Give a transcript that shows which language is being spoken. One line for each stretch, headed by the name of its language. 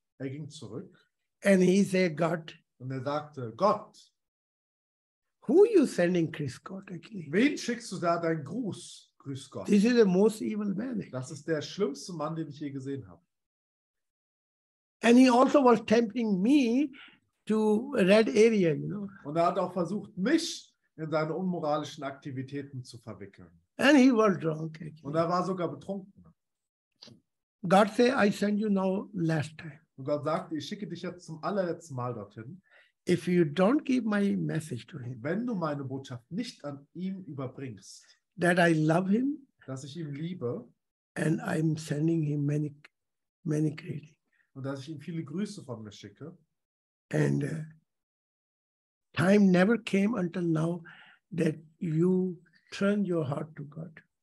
German: Er ging zurück.
English: And he said, God.
German: Und er sagte, Gott.
English: Who are you sending, Chris Gott, actually?
German: Wen schickst du da deinen Gruß, Grüß Gott?
English: This is the most evil man.
German: Das ist der schlimmste Mann, den ich je gesehen habe.
English: And he also was tempting me to red area, you know.
German: Und er hat auch versucht, mich in seine unmoralischen Aktivitäten zu verwickeln.
English: And he was drunk, actually.
German: Und er war sogar betrunken.
English: God said, I send you now last time.
German: Und Gott sagte, ich schicke dich jetzt zum allerletzten Mal dorthin.
English: If you don't give my message to him,
German: wenn du meine Botschaft nicht an ihm überbringst,
English: that I love him,
German: dass ich ihn liebe,
English: and I'm sending him many greetings,
German: und dass ich ihm viele Grüße von mir schicke.
English: And time never came until now that you turn your heart to God.